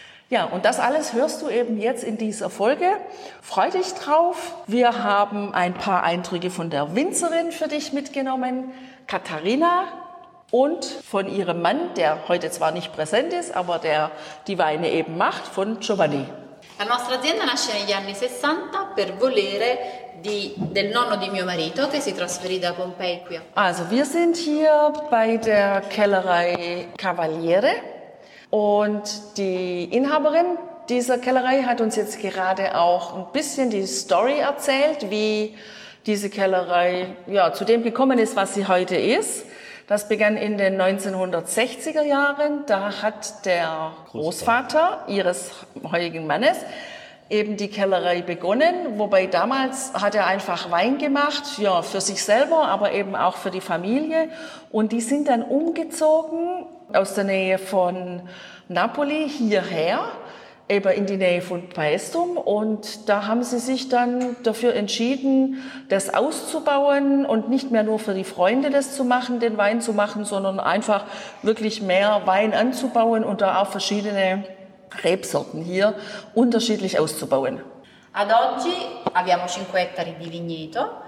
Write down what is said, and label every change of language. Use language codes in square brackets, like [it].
[de] Ja, und das alles hörst du eben jetzt in dieser Folge. Freu dich drauf. Wir haben ein paar Eindrücke von der Winzerin für dich mitgenommen, Katharina, und von ihrem Mann, der heute zwar nicht präsent ist, aber der die Weine eben macht, von Giovanni. [it] La nostra azienda nasce negli anni 60 per volere del nonno di mio marito che si trasferì da Pompei qui. [de] Also, wir sind hier bei der Kellerei Cavaliere. Und die Inhaberin dieser Kellerei hat uns jetzt gerade auch ein bisschen die Story erzählt, wie diese Kellerei ja zu dem gekommen ist, was sie heute ist. Das begann in den 1960er Jahren. Da hat der Großvater ihres heutigen Mannes eben die Kellerei begonnen. Wobei damals hat er einfach Wein gemacht, ja, für sich selber, aber eben auch für die Familie. Und die sind dann umgezogen aus der Nähe von Napoli hierher, eben in die Nähe von Paestum. Und da haben sie sich dann dafür entschieden, das auszubauen und nicht mehr nur für die Freunde das zu machen, den Wein zu machen, sondern einfach wirklich mehr Wein anzubauen und da auch verschiedene Rebsorten hier unterschiedlich auszubauen. [it] Ad oggi abbiamo 5 ettari di vigneto.